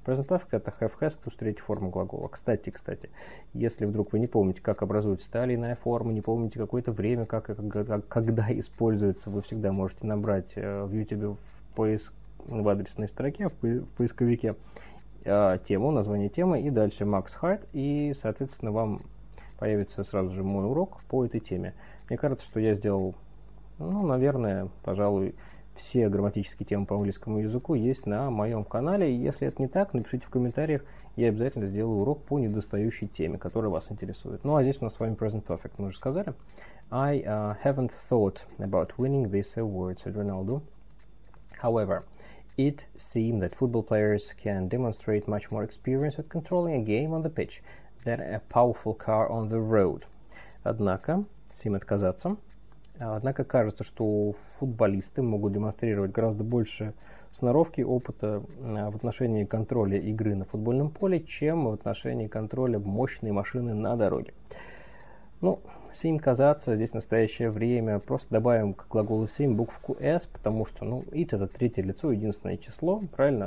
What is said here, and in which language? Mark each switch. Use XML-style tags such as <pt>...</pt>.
<ru>Present perfect — это have, has плюс третья форма глагола. Кстати, если вдруг вы не помните, как образуется та или иная форма, не помните какое-то время, как и когда используется, вы всегда можете набрать в YouTube в адресной строке, в поисковике, тему, название темы, и дальше Max Hart, и, соответственно, вам появится сразу же мой урок по этой теме. Мне кажется, что я сделал, ну, наверное, пожалуй, все грамматические темы по английскому языку есть на моем канале. Если это не так, напишите в комментариях, я обязательно сделаю урок по недостающей теме, которая вас интересует. Ну, а здесь у нас с вами Present Perfect, мы уже сказали.</ru> <en>I haven't thought about winning this award, said Ronaldo. However, it seemed that football players can demonstrate much more experience at controlling a game on the pitch than a powerful car on the road.</en> <ru>Однако, Сим отказаться. Однако кажется, что футболисты могут демонстрировать гораздо больше сноровки, опыта в отношении контроля игры на футбольном поле, чем в отношении контроля мощной машины на дороге. Ну, seem казаться здесь настоящее время. Просто добавим к глаголу seem букву S, потому что, ну, it это третье лицо, единственное число, правильно?</ru>